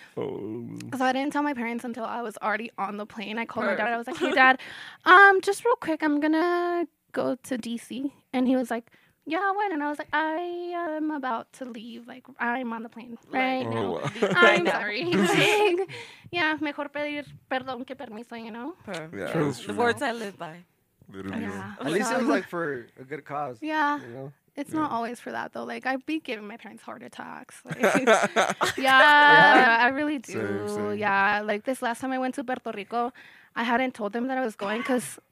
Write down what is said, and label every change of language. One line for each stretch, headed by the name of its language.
English: Oh. So I didn't tell my parents until I was already on the plane. I called my dad. I was like, hey, Dad, just real quick, I'm going to go to DC. And he was like, yeah, I went. And I was like, I am about to leave. Like, I'm on the plane right now. I'm sorry.
Spanish: Yeah, mejor pedir perdón que permiso,
English: you know? Yeah. True. The words I live by. Literally. Yeah. At least it was, like, for a good cause. Yeah. You know? It's not always for that, though. Like, I'd be giving my parents heart attacks. Like, yeah, I really do. Same. Yeah, like, this last time I went to Puerto Rico, I hadn't told them that I was going because...